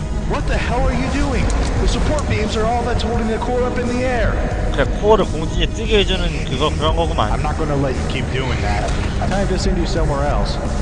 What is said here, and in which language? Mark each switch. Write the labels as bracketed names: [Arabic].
[English] What the hell are you doing? The support beams are all that's holding the core up in the air. [Korean] 그래, 코어를 공중에 뜨게 해주는 그거 그런 거구만. [English] I'm not gonna let you keep doing that. I'm trying to send you somewhere else.